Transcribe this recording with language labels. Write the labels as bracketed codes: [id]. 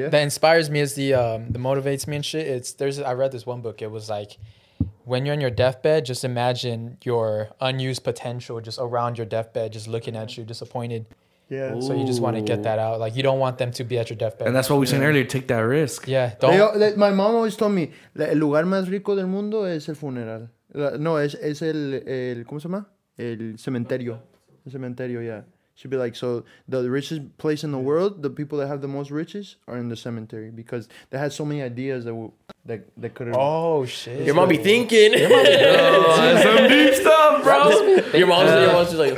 [en] that inspires me is the motivates me and shit. I read this one book. It was like, when you're in your deathbed, just imagine your unused potential just around your deathbed, just looking at you, disappointed. Yeah. Ooh. So you just want to get that out. Like, you don't want them to be at your deathbed. And that's what we said earlier. Take that risk. Yeah. My mom always told me, [es] el lugar más rico del mundo es el funeral. No, es el ¿cómo se llama? El cementerio. El cementerio, yeah. [en] She'd be like, so the richest place in the world, the people that have the most riches are in the cemetery because they had so many ideas that could have. Oh, shit. Your mom be thinking. Some deep stuff, bro. Your mom's just like,